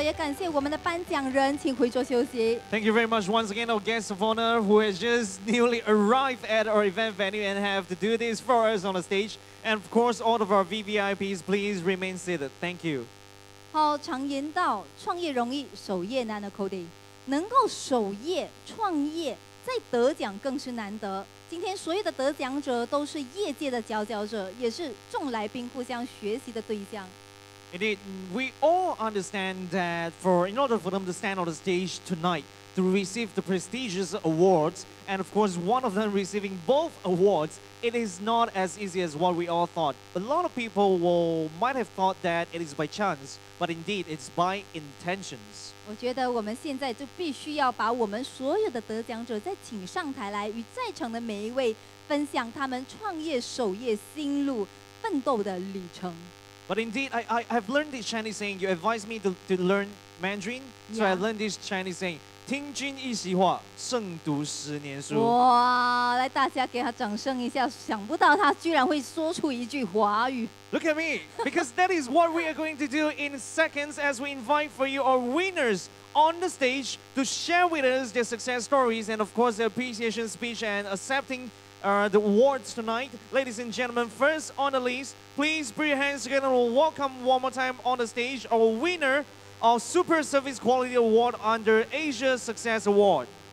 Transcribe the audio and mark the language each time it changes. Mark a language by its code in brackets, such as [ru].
[en] Thank you very much once again, our guest of honor, who has just newly arrived at our event venue and have to do this for us on the stage. And of course, all of our VVIPs, please remain seated. Thank you. [zh] 好，常言道，创业容易，守业难的 Cody， 能够守业、创业，再得奖更是难得。今天所有的得奖者都是业界的佼佼者，也是众来宾互相学习的对象。 [en] Indeed, we all understand that in order for them to stand on the stage tonight to receive the prestigious awards, and of course one of them receiving both awards, it is not as easy as what we all thought. A lot of people might have thought that it is by chance, but indeed it's by intentions. [zh] 我觉得我们现在就必须要把我们所有的得奖者再请上台来，与在场的每一位分享他们创业守业心路奋斗的旅程。 [en] But indeed, I've learned this Chinese saying. You advised me to learn Mandarin, so yeah. I learned this Chinese saying. [zh] 听君一席话，胜读十年书。哇，来大家给他掌声一下！想不到他居然会说出一句华语。 [en] Look at me, because that is what we are going to do in seconds as we invite for you our winners on the stage to share with us their success stories and of course their appreciation speech and accepting. The awards tonight, ladies and gentlemen, first on the list, please put your hands together and welcome one more time on the stage our winner of Super Service Quality Award under Asia Success Award.